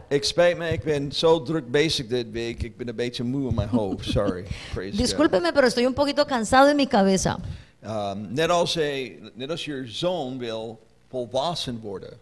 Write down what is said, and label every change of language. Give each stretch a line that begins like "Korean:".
Dutch: Ik spijt me, ik ben zo druk bezig dit week. Ik ben een beetje moe in mijn hoofd.
English: Sorry.
Spanish: Discúlpeme, pero estoy un poquito cansado en mi cabeza.
Dutch: Net als je zoon wil volwassen worden.